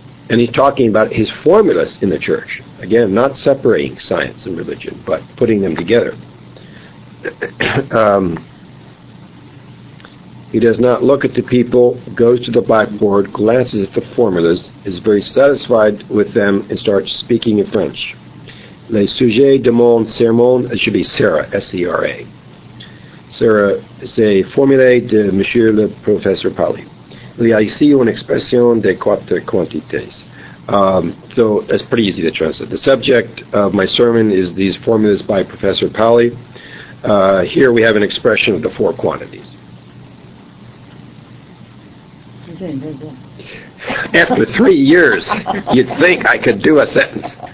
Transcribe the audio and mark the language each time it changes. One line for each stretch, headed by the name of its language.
English: And he's talking about his formulas in the church. Again, not separating science and religion, but putting them together. He does not look at the people, goes to the blackboard, glances at the formulas, is very satisfied with them, and starts speaking in French.
French: Le sujet de mon sermon,
English: it should be Sarah, S-E-R-A.
French: Sarah, c'est formulé de Monsieur le Professeur Pauli. Il y a ici une expression de quatre quantités.
English: So that's pretty easy to translate. The subject of my sermon is these formulas by Professor Pauli. Here we have an expression of the four quantities. After 3 years, you'd think I could do a sentence.